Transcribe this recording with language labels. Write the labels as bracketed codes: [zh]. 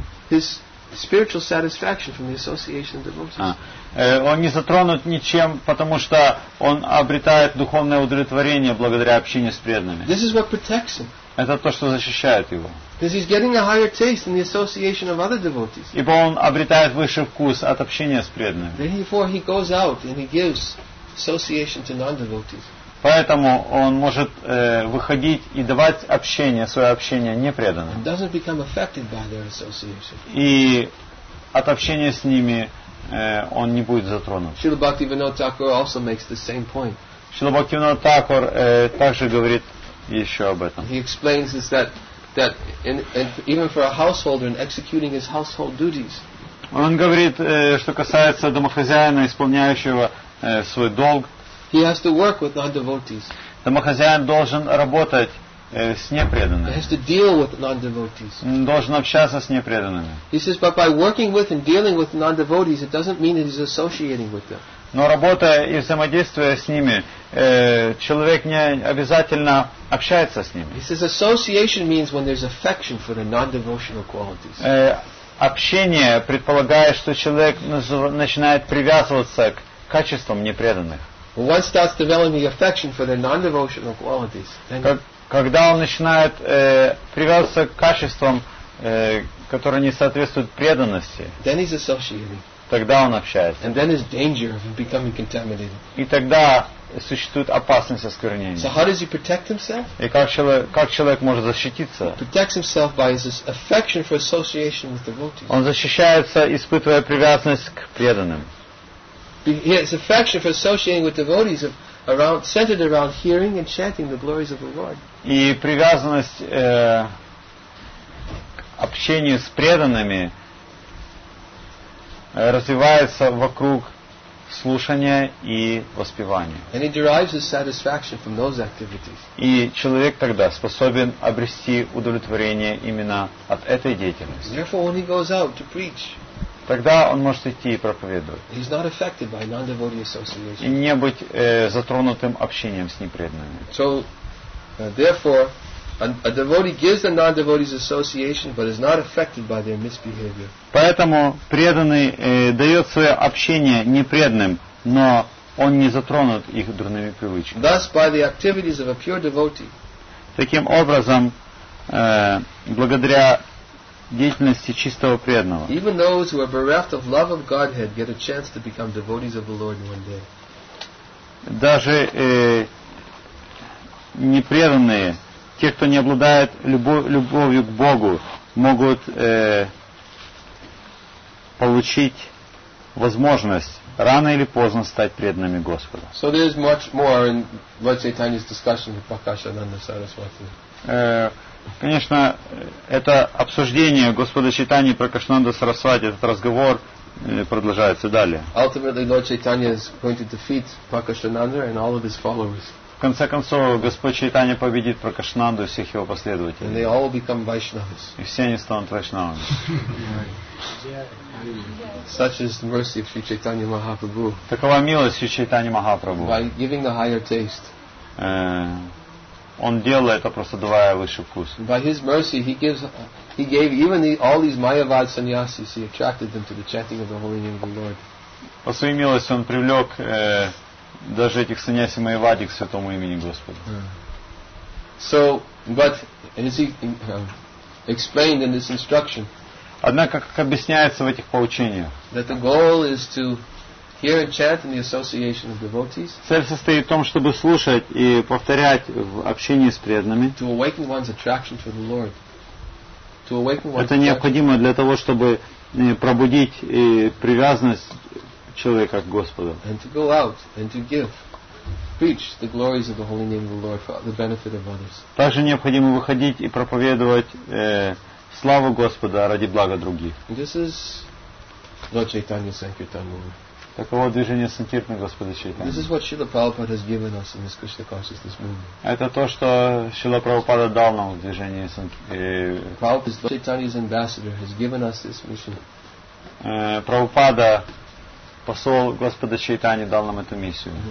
[en] his spiritual satisfaction from the association of devotees. [ru] Он не затронут ничем, потому что он обретает духовное удовлетворение благодаря общению с преданными. [en] This is what protects him. [ru] Это то, что защищает его. [en] Because he's getting a higher taste in the association of other devotees. [ru] Ибо он обретает высший вкус от общения с преданными. [en] Therefore, he goes out and he gives association to non-devotees. [ru] Поэтому он может выходить и давать общение, свое общение непреданным. [en] And doesn't become affected by their association. [ru] И от общения с ними он не будет затронут. [en] Srila Bhaktivinoda Thakur also makes the same point. [ru] Srila Bhaktivinoda Thakur также говорит еще об этом. [en] He explains that in even for a householder in executing his household duties. [ru] Он говорит, что касается домохозяина, исполняющего свой долг. [en] He has to work with non-devotees. [ru] Домохозяин должен работать с непреданными. [en] He has to deal with non-devotees. [ru] Должен общаться с непреданными. [en] He says, but by working with and dealing with non-devotees, it doesn't mean that he's associating with them. [ru] Но работая и взаимодействуя с ними, человек не обязательно общается с ними. [en] He says, association means when there's affection for the non-devotional qualities. [ru] Общение предполагает, что человек начинает привязываться к качеством непреданных. [en] Once starts developing affection for their non-devotional qualities. [ru] Когда он начинает привязываться к качествам, которые не соответствуют преданности. [en] Then he's associating. [ru] Тогда он общается. [en] And then there's danger of becoming contaminated. [ru] И тогда существует опасность осквернения. [en] So how does he protect himself? [ru] И как человек может защититься? [en] He protects himself by his affection for association with devotees. [ru] Он защищается, испытывая привязанность к преданным. [en] He has affection for associating with devotees centered around hearing and chanting the glories of the Lord. [ru] И привязанность к общению с преданными развивается вокруг слушания и воспевания. [en] And he derives his satisfaction from those activities. [ru] И человек тогда способен обрести удовлетворение именно от этой деятельности. [en] Therefore, when he goes out to preach, [ru] тогда он может идти и проповедовать. [en] He's not affected by non-devotee association. [ru] И не быть затронутым общением с непреданными. [en] So, therefore, a devotee gives the non-devotee's association, but is not affected by their misbehavior. [ru] Поэтому преданный дает свое общение непреданным, но он не затронут их дурными привычками. [en] Thus, by the activities of a pure devotee. [ru] Таким образом, благодаря деятельности чистого преданного. [en] Even those who are bereft of love of Godhead get a chance to become devotees of the Lord one day. [ru] Даже непреданные, те, кто не обладает любовью к Богу, могут получить возможность рано или поздно стать преданными Господа. [en] So there is much more in Lord Chaitanya's discussion with Prakashananda Saraswati. [ru] Конечно, это обсуждение Господа Чайтани и Пракашнанда Сарасвати, этот разговор продолжается далее. [en] Ultimately, Lord Chaitanya is going to defeat Prakashananda and all of his followers. [ru] В конце концов, Господь Чайтани победит Пракашнанду и всех его последователей. [en] And they all become Vaishnavas. [ru] И все они станут Вайшнавами. [en] Such is the mercy of Sri Chaitanya Mahaprabhu. [ru] Такова милость Sri Chaitanya Mahaprabhu. [en] By giving a higher taste. [ru] Он делает это, просто давая высший вкус. [en] By his mercy, he gave even all these Mayavad sannyasis, he attracted them to the chanting of the holy name of the Lord. [ru] По своей милости он привлек даже этих саньяси майявади к святому имени Господа. [en] So, but as he explained in this instruction, [ru] однако, как объясняется в этих поучениях, [en] that the goal is to hear and chant in the association of devotees. [ru] Цель состоит в том, чтобы слушать и повторять в общении с преданными. [en] To awaken one's attraction for the Lord. To awaken one's. [ru] Это необходимо для того, чтобы пробудить привязанность человека к Господу. [en] And to go out and to give, preach the glories of the holy name of the Lord for the benefit of others. [ru] Также необходимо выходить и проповедовать славу Господа ради блага других. [en] This is Lord Chaitanya Sankirtan movement. [ru] Таково движение санкиртны Господа Чайтаньи. [en] This is what Srila Prabhupada has given us in this Krishna consciousness movement. [ru] Это то, что Шрила Прабхупада дал нам в движении [en] Prabhupada, Chaitanya's ambassador, has given us this mission. [ru] Прабхупада, посол Господа Чайтаньи, дал нам эту миссию.